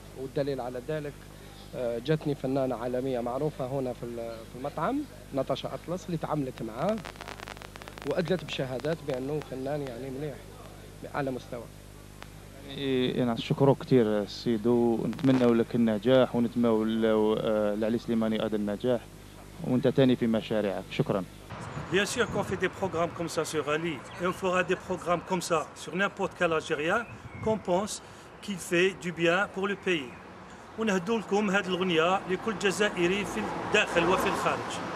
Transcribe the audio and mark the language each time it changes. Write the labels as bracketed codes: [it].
[ar] والدليل على ذلك جاتني فنانة عالمية معروفة هنا في المطعم ناتاشا أطلس اللي تعاملت معاه وأدلت بشهادات بأنه فنان يعني مليح على مستوى. يعني شكره كثير سيدو، ونتمنى لك النجاح ونتمنى لعلي سليماني هذا النجاح وانت تاني في مشاريعك. شكرا. [fr] Bien sûr qu'on fait des programmes comme ça sur Ali et on fera des programmes comme ça sur n'importe quel Algérien qu'on pense qu'il fait du bien pour le pays. [ar] ونهدو لكم هاد الغنية لكل جزائري في الداخل وفي الخارج.